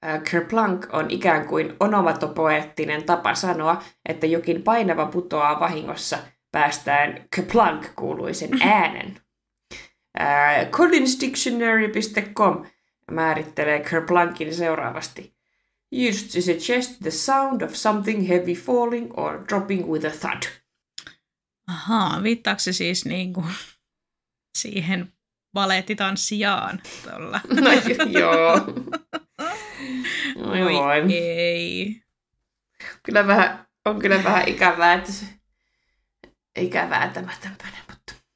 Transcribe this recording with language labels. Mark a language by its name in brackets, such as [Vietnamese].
[Finnish] Kerplunk on ikään kuin onomatopoeettinen tapa sanoa, että jokin painava putoaa vahingossa päästään Kerplunk-kuuluisen äänen. CollinsDictionary.com määrittelee Kerplunkin seuraavasti. [English] "Used to suggest the sound of something heavy falling or dropping with a thud". [Finnish] Ahaa, viittaako se siis niinku siihen balettitanssijaan tuolla? No joo. No voi. Ei. On kyllä vähän ikävää, että se ikävää tämä tämpöinen, mutta...